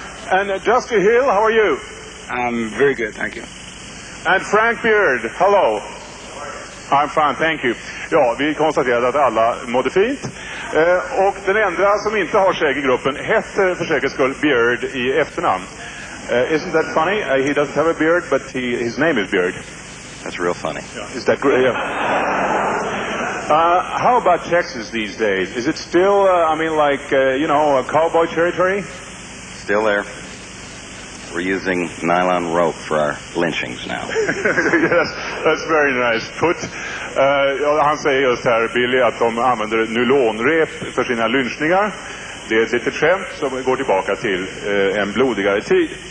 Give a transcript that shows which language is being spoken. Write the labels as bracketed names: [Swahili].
[English] And Dusty Hill, how are you? I'm very good, thank you. And Frank Beard, hello. I'm fine, thank you. [Swedish] Ja, vi konstaterade att alla mådde fint. Och den enda som inte har skägg i gruppen heter för säkerhets skull Beard i efternamn. [English] Isn't that funny? He doesn't have a beard, but his name is Beard. That's real funny. Yeah. Is that great? Yeah. How about Texas these days? Is it still, a cowboy territory? Still there. We're using nylon rope for our lynchings now. Yes, that's very nice put. [Swedish] Han säger just här, Billy, att de använder nylonrep för sina lynchningar. Det är ett litet skämt som går tillbaka till en blodigare tid.